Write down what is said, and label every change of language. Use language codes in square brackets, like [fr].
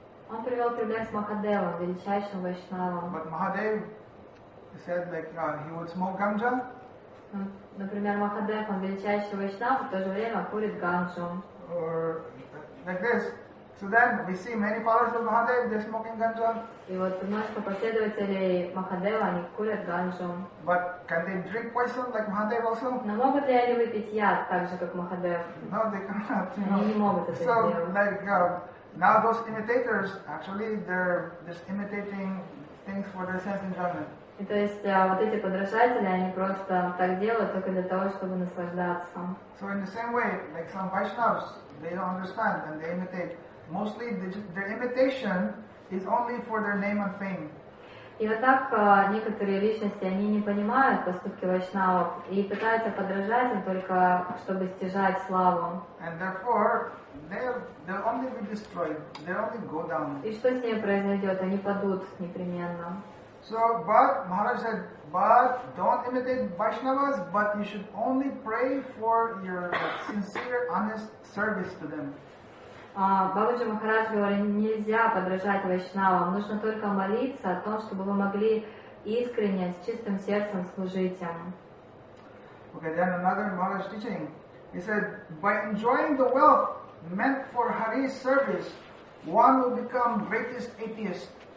[ru] Он привел пример с Махадевом, величайшим Вайшнавом. [en] But Mahadev, he said, like, he would smoke ganja. [ru] Например, Махадев, он величайший Вайшнав, в то же время курит ганджу. [en] Or like this. So then we see many followers of Mahadev, they're smoking ganja. [ru] И вот множество последователей Махадева, они курят ганджу. [en] But can they drink poison like Mahadev also? [ru] Но могут ли они выпить яд так же, как Махадев? [en] No, they cannot, you know. [ru] Они не могут это so, сделать. [en] Like, now those imitators, actually, they're just imitating things for their sense enjoyment. [ru] И то есть вот эти подражатели, они просто так делают только для того, чтобы наслаждаться. [en] So in the same way, like some Vaishnavas, they don't understand and they imitate. Mostly their imitation is only for their name and fame. [ru] И вот так некоторые личности, они не понимают поступки Вайшнавов и пытаются подражать им только, чтобы стяжать славу. [en] And therefore, they'll only be destroyed. They'll only go down. [ru] И что с ними произойдет? Они падут непременно. [en] So, but Maharaj said, but don't imitate Vaishnavas, but you should only pray for your sincere, honest service to them. [ru] Бабаджи Махарадж говорит, нельзя подражать Вайшнавам, нужно только молиться о том, чтобы вы могли искренне, с чистым сердцем служить им. [en] Okay, then another Maharaj teaching. He said, by enjoying the wealth meant for Hari's service, one will become greatest atheist.